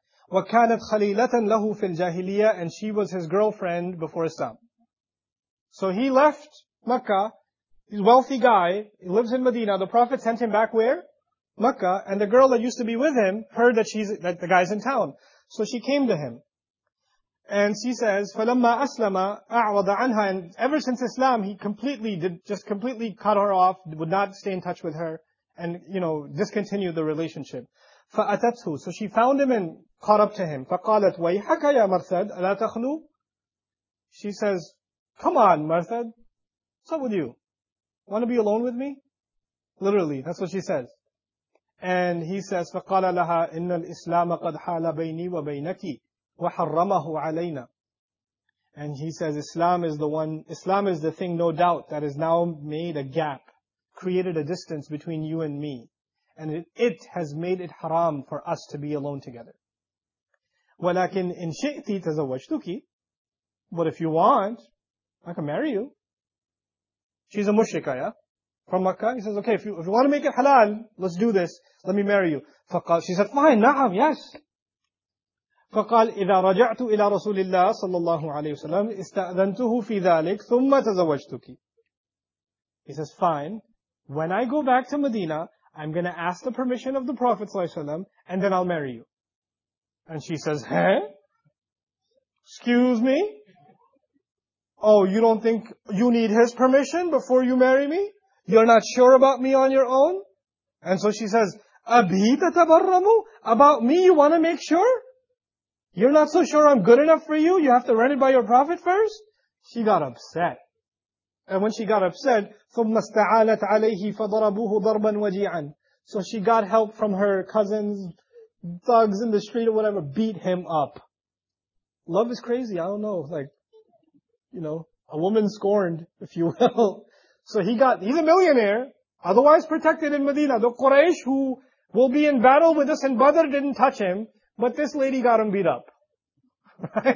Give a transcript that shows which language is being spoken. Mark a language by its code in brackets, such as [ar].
[ar] وَكَانَتْ خَلِيلَةً لَهُ فِي الْجَاهِلِيَةِ. [en] And she was his girlfriend before Islam. So he left Mecca, he's a wealthy guy, he lives in Medina, the Prophet sent him back where? Mecca, and the girl that used to be with him heard that that the guy's in town. So she came to him. And she says, [ar] فَلَمَّا أَسْلَمَ أَعْوَضَ عَنْهَا. [en] And ever since Islam, he completely cut her off, would not stay in touch with her, and, you know, discontinued the relationship. [ar] فَأَتَتْهُ. [en] So she found him and caught up to him. [ar] فَقَالَتْ وَيْحَكَ يَا مَرْثَدْ أَلَا تَخْلُو. [en] She says, come on, Marthad, what's up with you? Want to be alone with me? Literally, that's what she says. And he says, [ar] فَقَالَ لَهَا إِنَّ الْإِسْلَامَ قَدْ حَالَ بَيْنِي وَبَيْنَكِ وَحَرَّمَهُ عَلَيْنَا. [en] And he says, Islam is the thing, no doubt, that has now made a gap, created a distance between you and me. And it has made it haram for us to be alone together. [ar] وَلَكِنْ إِنْ شِئْتِ تَزَوَّجْتُكِ. [en] But if you want, I can marry you. She's a mushrika, yeah? From Mecca. He says, okay, if you want to make it halal, let's do this. Let me marry you. [ar] فقال, [en] she said, fine, na'am, yes. [ar] فقال, إذا رجعت إلى رسول الله صلى الله عليه وسلم, استأذنته في ذلك, ثم تزوجتك. [en] He says, fine. When I go back to Medina, I'm going to ask the permission of the Prophet [ar] صلى الله عليه وسلم, [en] and then I'll marry you. And she says, huh? Excuse me? Oh, you don't think you need his permission before you marry me? You're not sure about me on your own? And so she says, [ar] أَبِي تَتَبَرَّمُ. [en] About me you want to make sure? You're not so sure I'm good enough for you? You have to run it by your prophet first? She got upset. And when she got upset, [ar] ثُمَّ اسْتَعَانَتْ عَلَيْهِ فَضَرَبُوهُ ضَرْبًا وَجِيعًا. [en] So she got help from her cousins, thugs in the street or whatever, beat him up. Love is crazy, I don't know, like, you know, a woman scorned, if you will. So he's a millionaire, otherwise protected in Medina. The Quraysh, who will be in battle with us in Badr, didn't touch him, but this lady got him beat up. Right?